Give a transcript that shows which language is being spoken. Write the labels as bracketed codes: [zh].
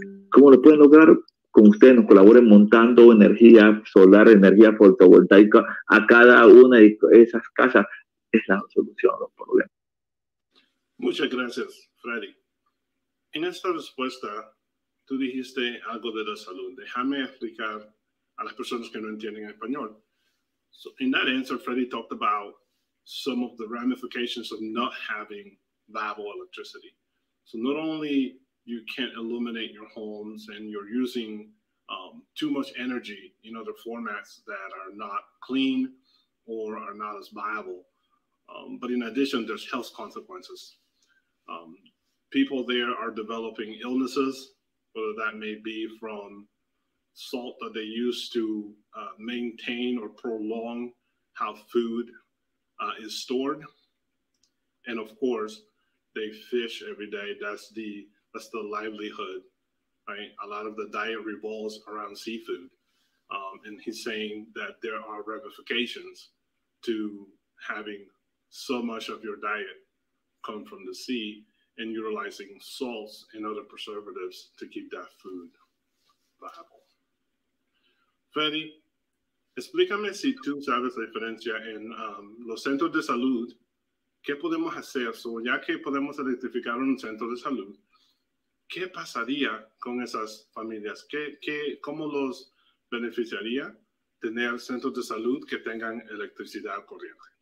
[es] ¿Cómo lo pueden lograr? Con ustedes nos colaboren montando energía solar, energía fotovoltaica a cada una de esas casas. Es la solución a los problemas. Muchas gracias, Freddy. En esta respuesta, tú dijiste algo de la salud. Déjame explicar a las personas que no entienden español. [en] So in that answer, Freddy talked about some of the ramifications of not having viable electricity. So not only you can't illuminate your homes and you're using too much energy in other formats that are not clean or are not as viable. But in addition, there's health consequences. People there are developing illnesses, whether that may be from salt that they use to maintain or prolong how food is stored. And of course, they fish every day. That's the livelihood, right? A lot of the diet revolves around seafood. And he's saying that there are ramifications to having so much of your diet come from the sea and utilizing salts and other preservatives to keep that food viable. [es] Freddy, explícame si tú sabes la diferencia en los centros de salud. ¿Qué podemos hacer? So, ya que podemos identificar un centro de salud, ¿qué pasaría con esas familias? ¿Cómo los beneficiaría tener centros de salud que tengan electricidad corriente?